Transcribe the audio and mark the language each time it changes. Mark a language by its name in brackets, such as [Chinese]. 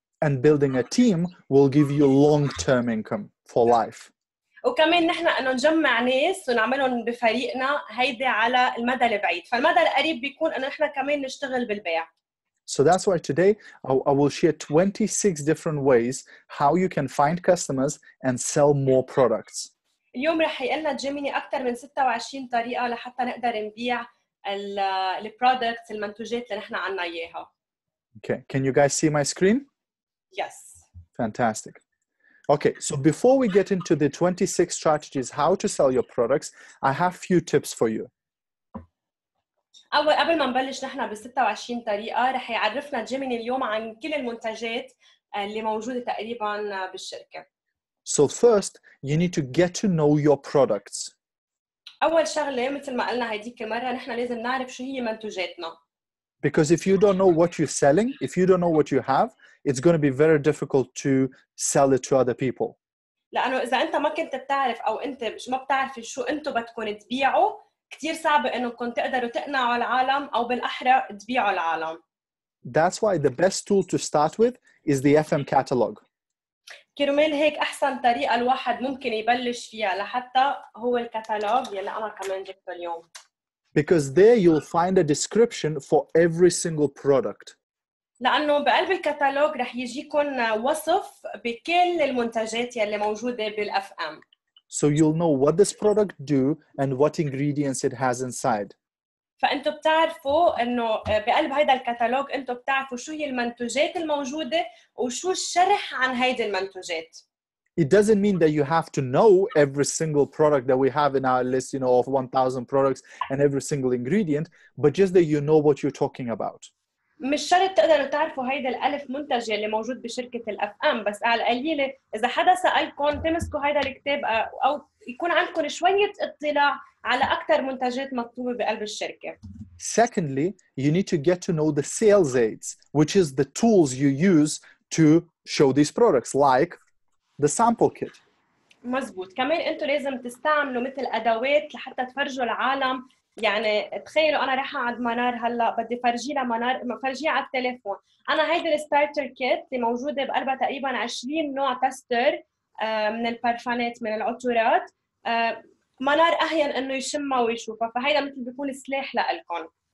[English] And building a team will give you long-term income for life. [Arabic] وكمان نحن انه نجمع ناس ونعملهم بفريقنا هيدا على المدى البعيد، فالمدى القريب بيكون انه نحن كمان نشتغل بالبيع. [English] So that's why today I will share 26 different ways how you can find customers and sell more products. [Arabic] اليوم رح يقلنا جيميني أكثر من 26 طريقة لحتى نقدر نبيع البرودكتس المنتوجات اللي نحن عنا إياها. [English] Okay, can you guys see my screen? Yes. Fantastic. Okay, so before we get into the 26 strategies how to sell your products, I have few tips for you. [Arabic] قبل ما نبلش نحن بال 26 طريقة رح يعرفنا جيميني اليوم عن كل المنتجات اللي موجودة تقريبا بالشركة. [English] So first you need to get to know your products. [Arabic] أول شغلة مثل ما قلنا هيديك المرة نحن لازم نعرف شو هي منتجاتنا. [English] Because if you don't know what you're selling, if you don't know what you have, it's going to be very difficult to sell it to other people. [Arabic] لأنه إذا أنت ما كنت بتعرف أو أنت ما بتعرف شو أنتوا بدكم تبيعوا كتير صعب انه كنت تقدروا تقنعوا العالم او بالاحرى تبيعوا العالم. [English] That's why the best tool to start with is the FM catalog. [Arabic] كرمال هيك احسن طريقه الواحد ممكن يبلش فيها لحتى هو الكتالوج يلي انا كمان جبته اليوم. [English] Because there you'll find a description for every single product. [Arabic] لانه بقلب الكتالوج رح يجيكم وصف بكل المنتجات يلي موجوده بالاف ام. [English] So you'll know what this product do and what ingredients it has inside. [Arabic] فأنتوا بتعرفوا إنه بقلب هيدا الكتالوج أنتوا بتعرفوا شو هي المنتجات الموجودة وشو الشرح عن هيدا المنتجات. [English] It doesn't mean that you have to know every single product that we have in our list, you know, of 1,000 products and every single ingredient, but just that you know what you're talking about. [Arabic] مش شرط تقدروا تعرفوا هيدا الألف منتج اللي موجود بشركة الأف أم بس على القليلة إذا حدا سألكم تمسكوا هيدا الكتاب أو يكون عندكم شوية اطلاع على أكثر منتجات مكتوبة بقلب الشركة. [English] Secondly, you need to get to know the sales aids, which is the tools you use to show these products, like the sample kit. [Arabic] مزبوط. كمان أنتوا لازم تستعملوا مثل أدوات لحتى تفرجوا العالم. يعني تخيلوا انا رايحه عند منار هلا بدي فرجي لها منار فرجيها على التليفون انا هيدا الستارتر كيت اللي موجوده بقلبها تقريبا 20 نوع تستر من البارفانات من العطورات منار اهين انه يشمها ويشوفها فهيدا مثل بيكون سلاح لكم.